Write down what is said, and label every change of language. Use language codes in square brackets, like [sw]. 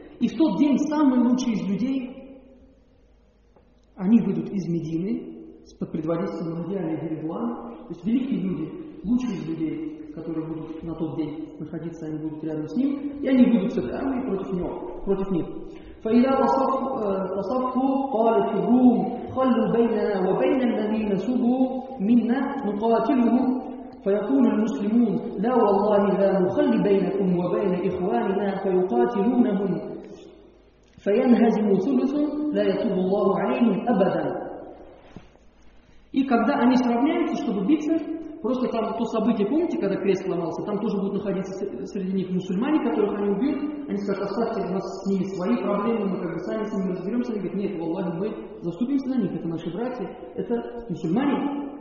[ru] И в тот день самые лучшие из людей, они выйдут из Медины, под предводительством Махди алейхи ридван, то есть великие люди, лучшие из людей, которые будут на тот день находиться, они будут рядом с ним, и они будут с этой армией против него, против них. [ar] فإذا تصفوا قال في الروم خلوا بيننا وبين الذين سبوا منا نقاتلهم فيقول المسلمون لا والله لا نخلي بينكم وبين إخواننا فيقاتلونهم فينهزم ثلث لا يتوب الله عليهم أبدا. [ru] И когда они сравняются, чтобы биться, просто там то событие, помните, когда крест ломался, там тоже будут находиться среди них мусульмане, которых они убьют. Они скажут, оставьте нас с ними свои проблемы, мы как бы сами с ними разберемся. Они говорят, нет, валлахи, мы заступимся на них, это наши братья, это мусульмане.